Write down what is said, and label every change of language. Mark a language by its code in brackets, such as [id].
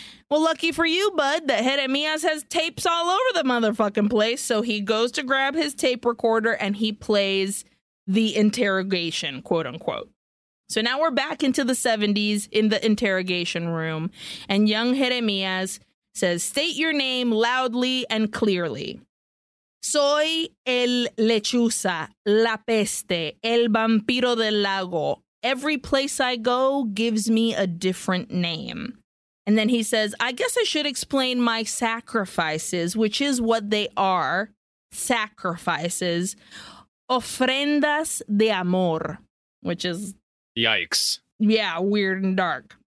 [en] Well, lucky for you, bud, that Jeremias has tapes all over the motherfucking place. So he goes to grab his tape recorder and he plays the interrogation, quote unquote. So now we're back into the 70s in the interrogation room. And young Jeremias says, state your name loudly and clearly. [es] Soy el lechuza, la peste, el vampiro del lago. [en] Every place I go gives me a different name. And then he says, I guess I should explain my sacrifices, which is what they are. Sacrifices. [es] Ofrendas de amor, [en] which is... yikes. Yeah, weird and dark.